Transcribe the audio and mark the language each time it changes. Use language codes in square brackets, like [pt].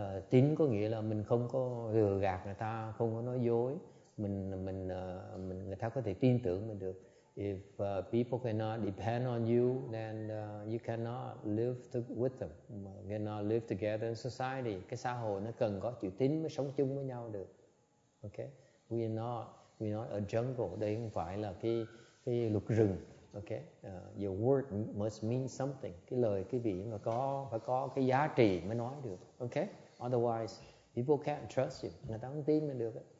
[vi] Tín có nghĩa là mình không có lừa gạt người ta, không có nói dối, mình người ta có thể tin tưởng mình được. [en] If people cannot depend on you, then you cannot live with them, cannot live together in society. [vi] Cái xã hội nó cần có chữ tín mới sống chung với nhau được. [en] Okay, we're not a jungle. [vi] Đây không phải là cái luật rừng. [en] Okay, your word must mean something. [vi] Cái lời cái vị mà có phải có cái giá trị mới nói được. [en] Okay, otherwise people can't trust you. [vi] Người ta không tin mình được.